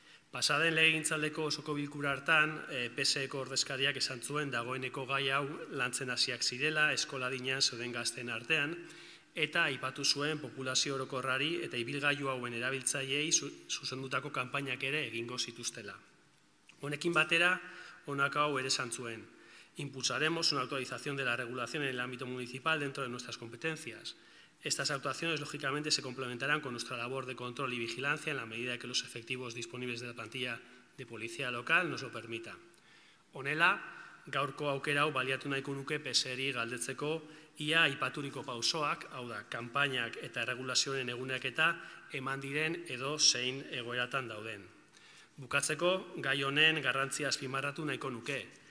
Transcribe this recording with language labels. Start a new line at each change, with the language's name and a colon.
Basque: Pasaden legegintzaldeko osoko bilkura hartan, PSEko ordezkariak esan zuen dagoeneko gai hau lantzen hasiak zirela, eskola dinan zeuden gazten artean, eta aipatu zuen populazio orokorrari eta ibilgailu hauen erabiltzaileei zuzendutako kanpainak ere egingo zituztela. Honekin batera, honako hau ere esan zuen.
Spanish: Impulsaremos una actualización de la regulación en el ámbito municipal dentro de nuestras competencias. Estas actuaciones, lógicamente, se complementarán con nuestra labor de control y vigilancia en la medida que los efectivos disponibles de la plantilla de policía local nos lo permita.
Basque: Honela, gaurko aukera hau baliatu nahiko nuke PSEri galdetzeko ia aipaturiko pausoak, hau da, kanpainak eta regulazioen eguneak eta eman diren edo zein egoeratan dauden. Bukatzeko, gai honen garrantzia azpimarratu nahiko nuke.